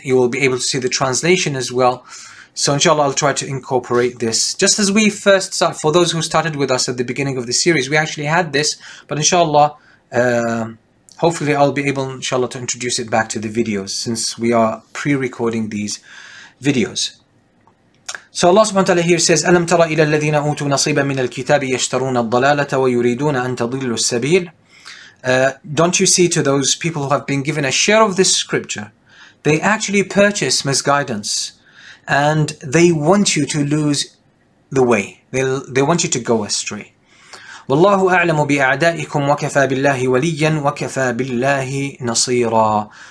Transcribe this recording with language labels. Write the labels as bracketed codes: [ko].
[en] You will be able to see the translation as well. So inshallah, I'll try to incorporate this. Just as we first start, for those who started with us at the beginning of the series, we actually had this, but inshallah, hopefully I'll be able, inshallah, to introduce it back to the videos since we are pre-recording these videos. So Allah subhanahu wa ta'ala here says, [ar] أَلَمْ تَرَ إِلَى الَّذِينَ أُوتُوا نَصِيبًا مِنَ الْكِتَابِ يَشْتَرُونَ الضَّلَالَةَ وَيُرِيدُونَ أَن تَضِلُّوا السَّبِيلَ. [en] Don't you see to those people who have been given a share of this scripture, they actually purchase misguidance and they want you to lose the way. They want you to go astray. [ar] وَاللَّهُ أَعْلَمُ بِأَعْدَائِكُمْ وَكَفَى بِاللَّهِ وَلِيًّا وَكَفَى بِاللَّهِ نَصِيرًا.